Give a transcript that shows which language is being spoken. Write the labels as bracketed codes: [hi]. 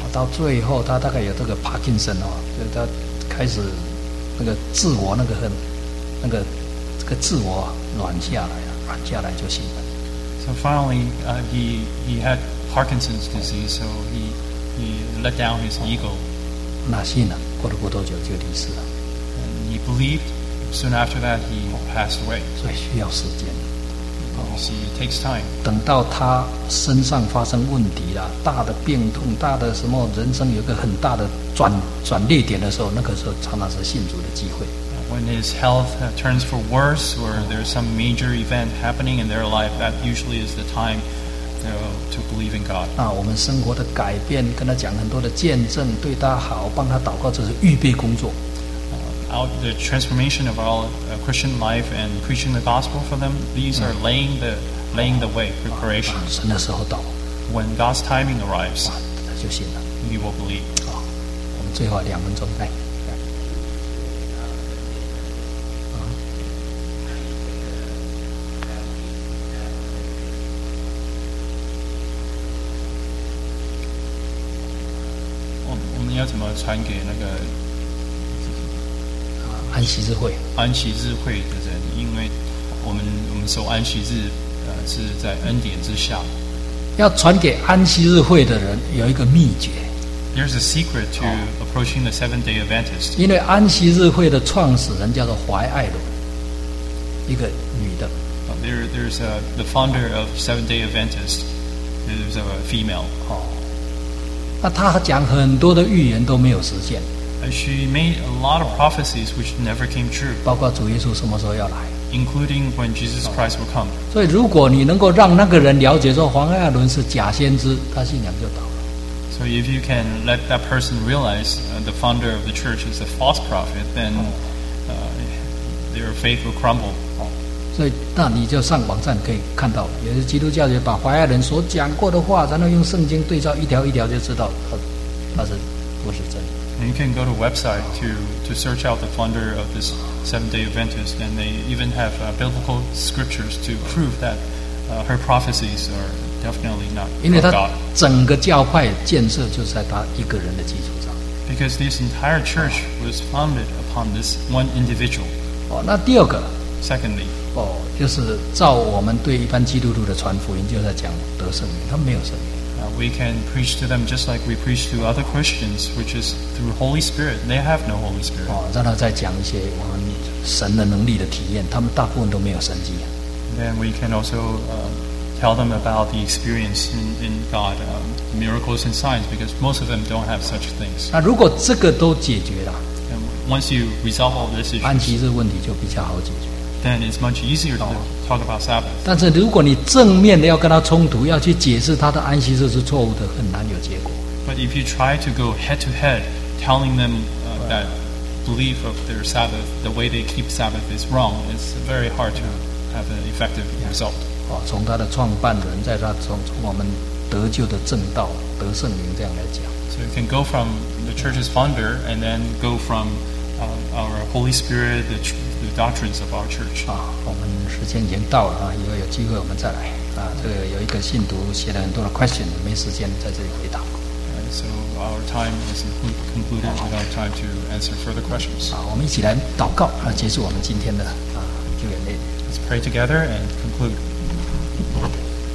[zh] 到最后，他大概有这个 Parkinson 哦，就他开始那个自我那个很那个这个自我软下来了，软下来就信了。 [en] So finally, he had Parkinson's disease, so he let down his ego. [zh] 那信了，过了不多久就离世了。 [en] And he believed. Soon after that, he passed away. [zh] 所以需要时间。 [en] You see, it takes time. [zh] 等到他身上发生问题了，大的病痛，大的什么，人生有个很大的转捩点的时候，那个时候常常是信主的机会。 [en] When his health turns for worse, or there's some major event happening in their life, that usually is the time, you know, to believe in God. [zh] 那我们生活的改变，跟他讲很多的见证，对他好，帮他祷告，这是预备工作。 [en] The transformation of our Christian life and preaching the gospel for them, these are laying the way, preparation. [zh] 神的时候到。 [en] When God's timing arrives, [zh] 他就信了。 [en] He will believe. [zh] 我们最后两分钟，来。要怎么传给那个安息日会？安息日会的人，因为我们守安息日，是在恩典之下。要传给安息日会的人有一个秘诀。 [en] There's a secret to approaching the Seventh Day Adventist. [zh] 因为安息日会的创始人叫做怀爱伦，一个女的。 [en] There's a the founder of Seventh Day Adventist is a female. [zh] 那他讲很多的预言都没有实现。 [en] She made a lot of prophecies which never came true. [zh] 包括主耶稣什么时候要来。 [en] Including when Jesus Christ will come. [zh] 所以如果你能够让那个人了解说黄艾伦是假先知，他信仰就倒了。 [en] So if you can let that person realize the founder of the church is a false prophet, then their faith will crumble. [zh] 所以那你就上网站可以看到，也是基督教也把怀爱伦所讲过的话，然后用圣经对照一条一条，就知道他是不是真的。 [en] You can go to website to search out the founder of this Seventh Day Adventist, and they even have biblical scriptures to prove that her prophecies are definitely not God. [zh] 因为他整个教派建设就是在他一个人的基础上。 [en] Because this entire church was founded upon this one individual. [zh] 那第二个。 [en] Secondly. [zh] 就是照我们对一般基督徒的传福音，就在讲得圣灵，他们没有圣灵。 [en] We can preach to them just like we preach to other Christians, which is through Holy Spirit. They have no Holy Spirit. [zh] 让他再讲一些我们神的能力的体验，他们大部分都没有神迹。 [en] Then we can also tell them about the experience in God, miracles and signs, because most of them don't have such things. [zh] 那如果这个都解决了 [en] ，And once you resolve all this issues, [zh] 安息日问题就比较好解决。 [en] Then it's much easier to talk about Sabbath. [zh] 但是如果你正面的要跟他冲突，要去解释他的安息日是错误的，很难有结果。 [en] But if you try to go head to head, telling them that belief of their Sabbath, the way they keep Sabbath is wrong, it's very hard to have an effective result. [zh] 从他的创办人，在他从我们得救的正道得圣灵这样来讲。 [en] So you can go from the church's founder, and then go from our Holy Spirit, the doctrines of our church. [zh] 我们时间已经到了，以后有机会我们再来。这个有一个信徒写了很多的 question, 没时间在这里回答。 [en] So our time is concluded without time to answer further questions. [zh] 我们一起来祷告，结束我们今天的Q&A。 [en] Let's pray together and conclude.